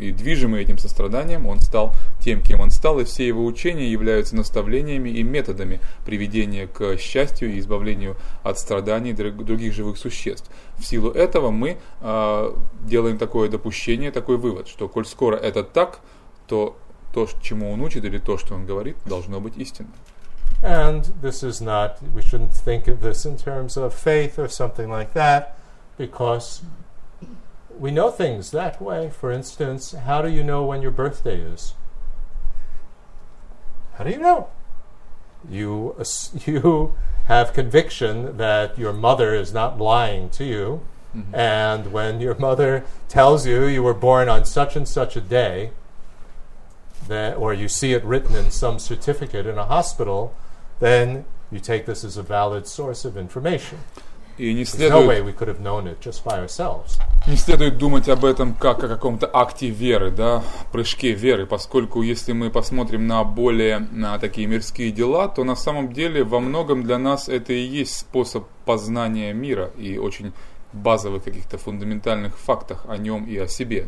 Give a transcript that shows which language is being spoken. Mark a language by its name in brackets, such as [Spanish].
[Russian] И движимый этим состраданием он стал тем, кем он стал, и все его учения являются наставлениями и методами приведения к счастью и избавлению от страданий других живых существ. В силу этого мы делаем такое допущение, такой вывод, что коль скоро это так, то то, чему он учит или то, что он говорит, должно быть истинным. [English] And this is not, we shouldn't think of this in terms of faith or something like that, because we know things that way. For instance, how do you know when your birthday is? How do you know? You have conviction that your mother is not lying to you, mm-hmm. and when your mother tells you you were born on such and such a day, that, or you see it written in some certificate in a hospital, then you take this as a valid source of information. There's no way we could have known it just by ourselves. [Russian] Не следует думать об этом как о каком-то акте веры, да, прыжке веры, поскольку если мы посмотрим на более на такие мирские дела, то на самом деле во многом для нас это и есть способ познания мира и очень базовых каких-то фундаментальных фактах о нем и о себе.